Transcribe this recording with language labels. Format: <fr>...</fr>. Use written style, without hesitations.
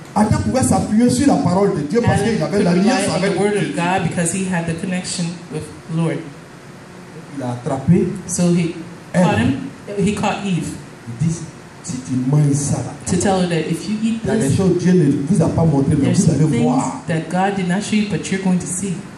<fr>Adam pouvait s'appuyer sur la parole de Dieu parce qu'il avait l'alliance avec Dieu.</fr> <en>The word of God because he had the connection with the Lord.</en> <fr>Il a attrapé.</fr> <en>So he Adam. Caught him. He caught Eve.</en> <fr>This. Si tu manges ça là,</fr> <en>to tell her that if you eat this,</en> <fr>des choses Dieu ne vous a pas montré, mais vous allez voir.</fr> <en>That God did not show you, but you're going to see.</en>